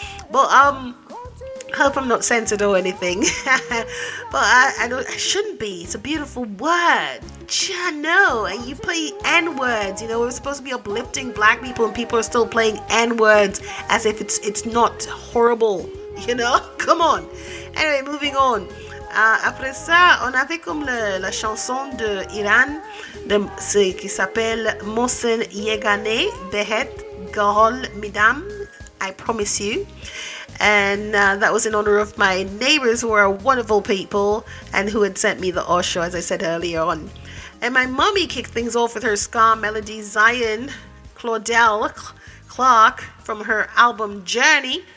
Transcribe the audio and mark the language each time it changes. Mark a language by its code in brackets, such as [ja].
[en] But hope I'm not censored or anything. But I shouldn't be. It's a beautiful word. Yeah, no. And you play N-words. You know, we're supposed to be uplifting black people and people are still playing N-words as if it's not horrible. You know? Come on. Anyway, moving on. [fr] Après ça, on avait comme la chanson de Iran, qui s'appelle Mohsen Yeghane Behet Gahol Midam. [en] I promise you. And that was in honor of my neighbors, who are wonderful people and who had sent me the Osho, as I said earlier on. And my mommy kicked things off with her ska melody Zion Claudel Clark from her album Journey.